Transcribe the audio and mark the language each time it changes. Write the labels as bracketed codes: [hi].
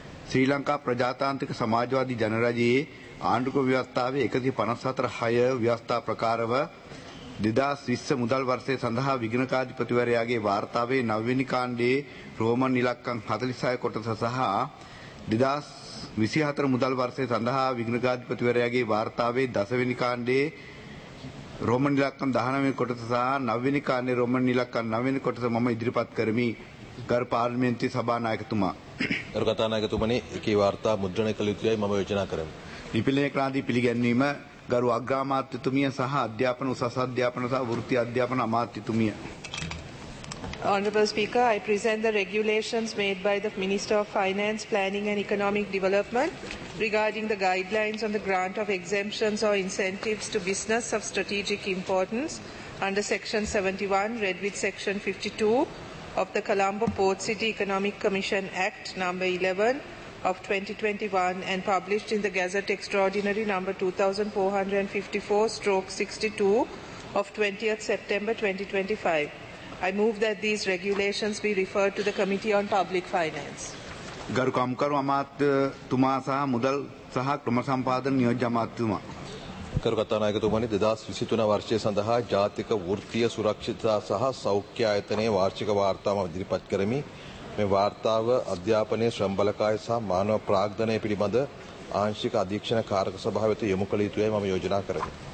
[si] ශ්‍රී ලංකා ප්‍රජාතාන්ත්‍රික සමාජවාදී ජනරජයේ ආණ්ඩුක ව්‍යවස්ථාවේ 154(6) ව්‍යවස්ථා ප්‍රකාරව 2020 මුදල් වර්ෂය සඳහා විගණකාධිපතිවරයාගේ වාර්තාවේ 9 කාණ්ඩයේ රෝමන් ඉලක්කම් 46 කොටස සහ 2024 මුදල් වර්ෂය සඳහා විගණකාධිපතිවරයාගේ වාර්තාවේ 10 කාණ්ඩයේ රෝමන් ඉලක්කම් 19 කොටස සහ 9 කාණ්ඩයේ රෝමන් ඉලක්කම් 9 කොටස මම ඉදිරිපත් කරමි. ගරු පාර්ලිමේන්තු සභානායකතුමා, ගරු කතානායකතුමනි, එකී වාර්තා මුද්‍රණය කළ යුතුයයි මම යෝජනා කරමි. ලිපිලේඛනාදී පිළිගැන්වීම. ගරු අග්‍රාමාත්‍යතුමිය සහ අධ්‍යාපන උසස් අධ්‍යාපන සහ වෘත්ති අධ්‍යාපන අමාත්‍යතුමිය. [en] Honorable Speaker, I present the regulations made by the Minister of Finance, Planning and Economic Development regarding the guidelines on the grant of exemptions or incentives to business of strategic importance under Section 71, read with Section 52 of the Colombo Port City Economic Commission Act No. 11 of 2021 and published in the Gazette Extraordinary No. 2454/62 of 20th September 2025. I move that these regulations be referred to the Committee on Public Finance. [si] ගරු කම්කරු අමාත්‍යතුමා සහ මුදල් සහ ක්‍රමසම්පාදන නියෝජ්‍ය අමාත්‍යතුමා. ගරු කතානායකතුමනි, 2023 වර්ෂය සඳහා ජාතික වෘත්තීය සුරක්ෂිතතා සහ සෞඛ්‍ය ආයතනයේ වාර්ෂික වාර්තාව මම ඉදිරිපත් කරමි. මේ වාර්තාව අධ්‍යාපනයේ ශ්‍රම බලකාය සහ මානව ප්‍රාග්ධනය පිළිබඳ ආංශික අධීක්ෂණ කාරක සභාව වෙත යොමු කළ යුතුයි මම යෝජනා කරමි.